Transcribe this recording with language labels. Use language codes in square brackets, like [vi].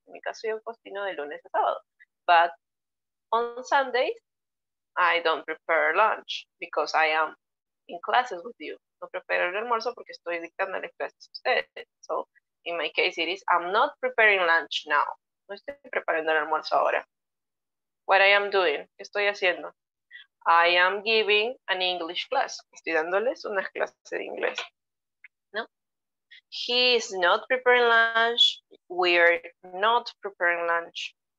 [es] En mi caso, yo cocino de lunes a sábado. [en] But on Sundays, I don't prepare lunch because I am in classes with you. [es] No preparo el almuerzo porque estoy dictando las clases a ustedes. [en] So, in my case, it is I'm not preparing lunch now. [es] No estoy preparando el almuerzo ahora. [en] What I am doing, [es] ¿qué estoy haciendo? [en] I am giving an English class. [es] Estoy dándoles una clase de inglés. No. [en] He is not preparing lunch. We are not preparing lunch.